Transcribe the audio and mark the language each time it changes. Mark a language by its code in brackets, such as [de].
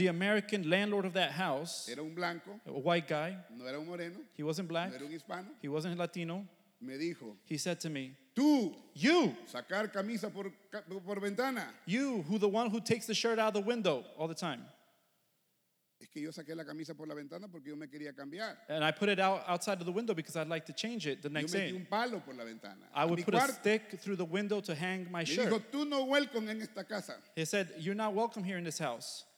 [en] The American landlord of that house. [es] Era un blanco. [en] A white guy. [es] No era un moreno. [en] He wasn't black. [es] No era un hispano. [en] He wasn't Latino. [es] Me dijo. [en] He said to me. [es] Tú. [en] You. [es] Sacar camisa por ventana. [en] You, who the one who takes the shirt out of the window all the time. [es] Es que yo saqué la camisa por la ventana porque yo me quería cambiar. [en] And I put it out outside of the window because I'd like to change it the next day. [es] Yo metí un palo por la ventana. [en] I would put a stick through the window to hang my shirt. [es] Dijo, tú no welcome en esta casa. [en] He said, you're not welcome here in this house.